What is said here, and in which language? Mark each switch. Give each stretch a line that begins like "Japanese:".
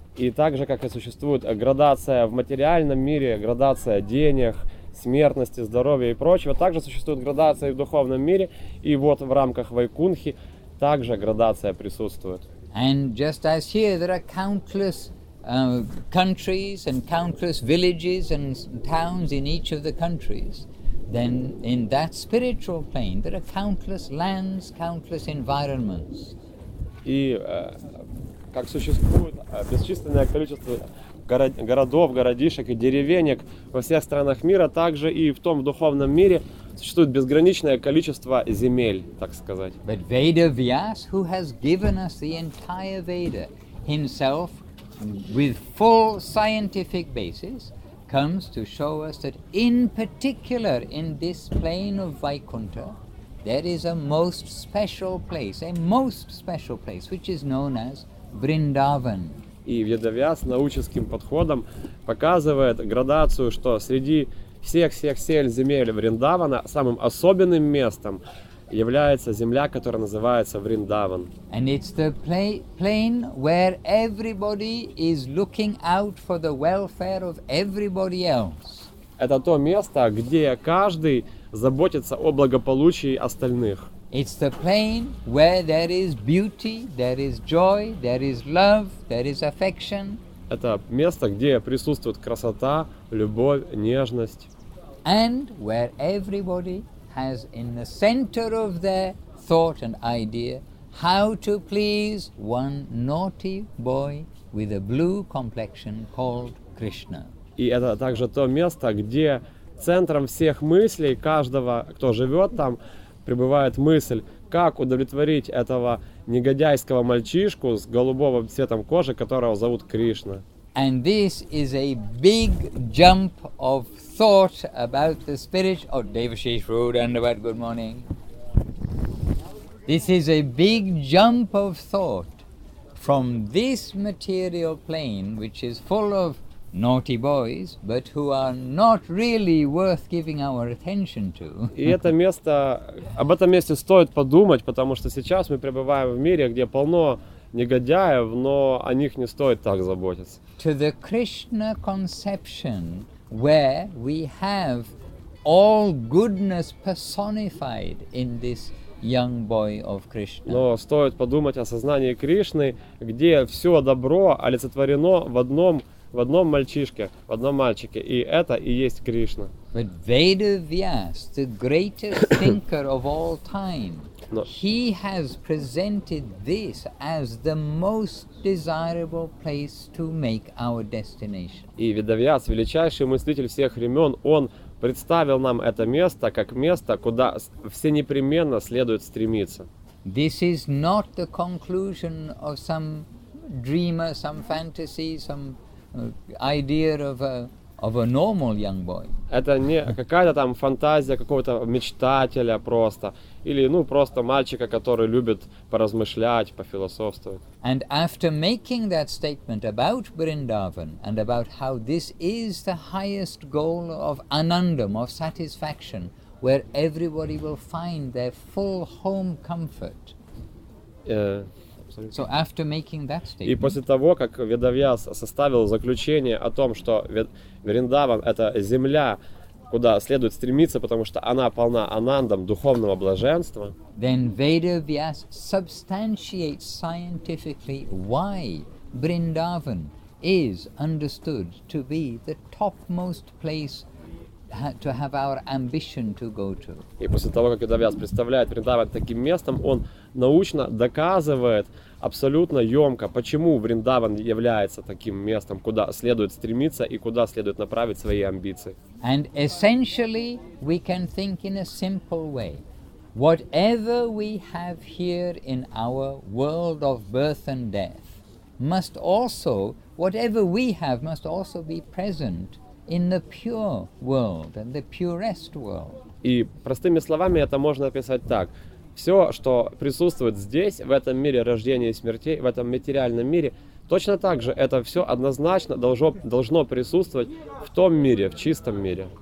Russian: И также, как и существует градация в материальном мире, градация денег, смертности, здоровья и прочего, также существует градация в духовном мире, и вот в рамках Вайкунхи также градация присутствует.
English: And just as here, there are countless countries and countless villages and towns in each of the countries, then in that spiritual plane there are countless lands, countless environments.
Russian: И как существует бесчисленное количество городов, городишек и деревенек во всех странах мира, также и в том духовном мире существует безграничное количество земель, так сказать.
English: But Veda Vyas, who has given us the entire Veda himself with full scientific basis, comes to show us that in particular in this plane of Vaikuntha there is a most special place, a most special place, which is known as Vrindavan.
Russian: И Ведавьяс научным подходом показывает градацию, что среди всех земель Вриндавана самым особенным местом является земля, которая называется Вриндаван.
English: And it's the plane where everybody is looking out for the welfare of everybody else.
Russian: Это то место, где каждый заботится о благополучии остальных.
English: It's the plane where there is beauty, there is joy, there is love, there is affection.
Russian: Это место, где присутствует красота, любовь, нежность.
English: And where everybody has in the center of their thought and idea how to please one naughty boy with a blue complexion called Krishna.
Russian: И это также то место, где центром всех мыслей каждого, кто живет там, пребывает мысль, как удовлетворить этого негодяйского мальчишку с голубого цветом кожи, которого зовут Кришна.
English: And this is a big jump of thought about the spirit of Devashish Rude and about good morning. This is a big jump of thought from this material plane, which is full of naughty boys, but who are not really worth giving our attention to.
Russian: И это место, об этом месте стоит подумать, потому что сейчас мы пребываем в мире, где полно негодяев, но о них не стоит так заботиться.
English: To the Krishna conception, where we have all goodness personified in this young boy of Krishna.
Russian: Но стоит подумать о сознании Кришны, где все добро олицетворено в одном мальчишке, в одном мальчике, и это и есть Кришна.
English: But Veda Vyas, the greatest thinker of all time, he has presented this as the most desirable place to make our destination.
Russian: И Ведавьяс, величайший мыслитель всех времен, он представил нам это место как место, куда все непременно следует стремиться.
English: This is not the conclusion of some dreamer, some fantasy, some idea of a normal young boy.
Russian: Это не какая-то там фантазия какого-то мечтателя просто, или ну просто мальчика, который любит поразмышлять, пофилософствовать.
English: And after making that statement about Vrindavan and about how this is the highest goal of anandam, of satisfaction, where everybody will find their full home comfort. So after making that statement,
Russian: и после того, как Ведавьяс составил заключение о том, что Вриндаван — это земля, куда следует стремиться, потому что она полна анандам, духовного блаженства,
English: then Vedavyas substantiates scientifically why Vrindavan is understood to be the topmost place to have our ambition to go to.
Russian: И после того, как Ведавьяс представляет Вриндаван таким местом, он научно доказывает абсолютно ёмко, почему Вриндаван является таким местом, куда следует стремиться и куда следует направить свои амбиции.
English: And essentially, we can think in a simple way. Whatever we have here in our world of birth and death must also, whatever we have must also be present in the pure world and the purest world.
Russian: И простыми словами это можно описать так. Все, что присутствует здесь, в этом мире рождения и смертей, в этом материальном мире, точно так же это все однозначно должно присутствовать в том мире, в чистом мире.